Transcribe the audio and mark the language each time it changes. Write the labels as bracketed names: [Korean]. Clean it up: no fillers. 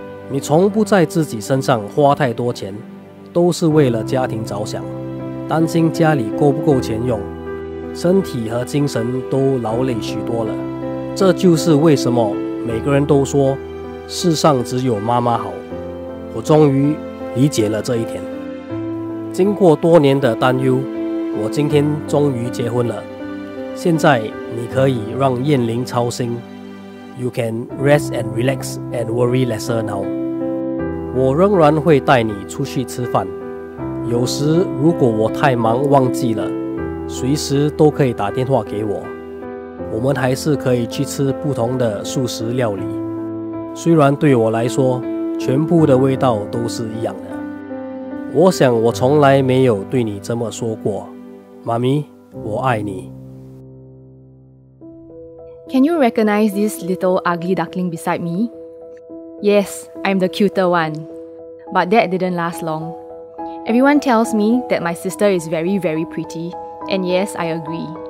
[Chinese] 你从不在自己身上花太多钱，都是为了家庭着想，担心家里够不够钱用，身体和精神都劳累许多了。这就是为什么每个人都说，世上只有妈妈好。我终于理解了这一点。经过多年的担忧，我今天终于结婚了。现在你可以让燕玲操心。 [English] You can rest and relax and worry lesser now. [Chinese] 我仍然会带你出去吃饭。有时如果我太忙忘记了，随时都可以打电话给我。我们还是可以去吃不同的素食料理。虽然对我来说，全部的味道都是一样的。我想我从来没有对你这么说过。妈咪，我爱你。 [English] Can you recognize this little ugly duckling beside me? Yes, I'm the cuter one. But that didn't last long. Everyone tells me that my sister is very, very pretty. And yes, I agree.